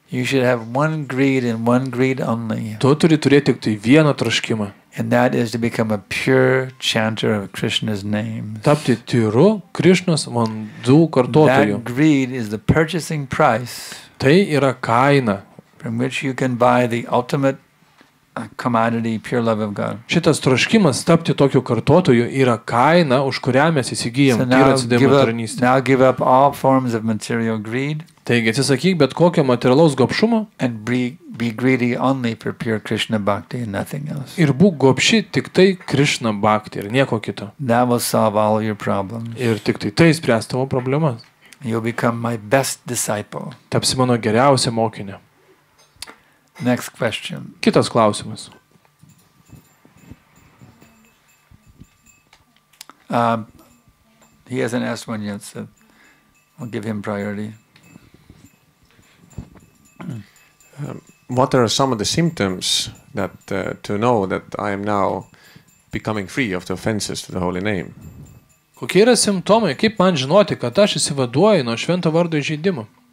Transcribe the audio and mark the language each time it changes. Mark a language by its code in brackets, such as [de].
[en] you should have one greed and one greed only. [lt] Tu turi turėti tik tai vieną troškimą. [en] And that is to become a pure chanter of Krishna's name. [lt] Tapti tyru Krishnos mandų kartotoju. [en] That greed is the purchasing price. [lt] Tai yra kaina, [en] from which you can buy the ultimate commodity, pure love of God. [lt] Šitas troškimas tapti tokiu kartotoju yra kaina, už kurią mes įsigijam tyrą atsidavimą tarnystę. [en] Now give up all forms of material greed. [lt] Taigi atsisakyk bet kokio materialaus gobšumo [en] be greedy only for pure Krishna bhakti and nothing else. [lt] Ir būk gobši tik tai Krishna bhakti ir nieko kito. [en] That will solve all your problems. [lt] Ir tik tai spręs tavo problemas. [en] You'll become my best disciple. [lt] Tapsi mano geriausia mokinė. [en] Next question. [lt] Kitas klausimas. [en] He hasn't asked one yet, so I'll give him priority. What are some of the symptoms that to know that I am now becoming free of the offenses to the holy name? [lt] Kokie yra simptomai, kaip man žinoti, kad aš išsivaduoju nuo švento vardo įžeidimo?